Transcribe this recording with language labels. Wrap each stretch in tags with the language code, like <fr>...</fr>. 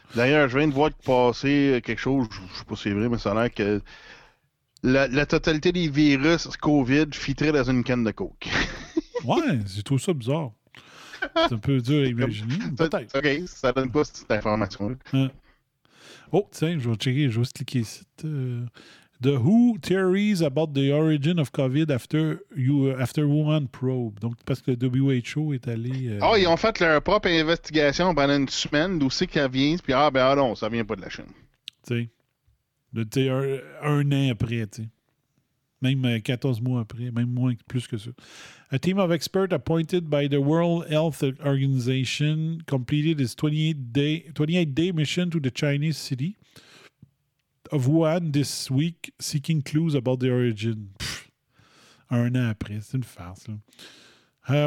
<fr>D'ailleurs, je viens de voir passer quelque chose, je ne sais pas si c'est vrai, mais ça a l'air que... La totalité des virus COVID filtrait dans une canne de coke. Ouais, j'ai trouvé ça bizarre. C'est un peu dur à imaginer. Peut-être. OK, ça donne pas cette information. Oh, tiens, je vais checker, je vais juste cliquer ici.</fr> <en>The WHO theories about the origin of COVID after Wuhan probe.</en> <fr>Donc, parce que le WHO est allé... Ah, ils ont fait leur propre investigation pendant une semaine d'où c'est qu'elle vient. Puis, non, ça vient pas de la Chine. Tu sais. Un an après, tu sais. Même 14 mois après, même moins plus que ça.</fr> <en>A team of experts appointed by the World Health Organization completed its 28-day mission to the Chinese city of Wuhan this week, seeking clues about the origin.</en> <fr>Pff, un an après, c'est une farce, là.</fr>